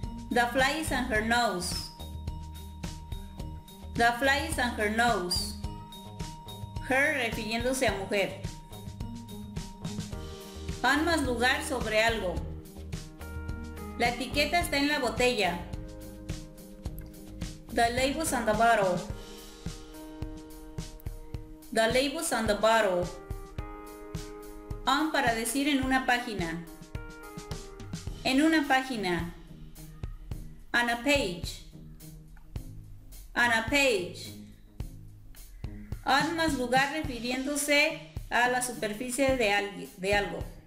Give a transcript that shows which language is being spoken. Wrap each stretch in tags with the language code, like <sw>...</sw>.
<en>The fly is on her nose. The fly is on her nose. Her</en> <es>refiriéndose a mujer. On más lugar sobre algo. La etiqueta está en la botella.</es> <en>The label's on the bottle. The label's on the bottle.</en> <es>On para decir en una página. En una página.</es> <en>On a page. On a page.</en> <es>On más lugar refiriéndose a la superficie de alguien, de algo.</es>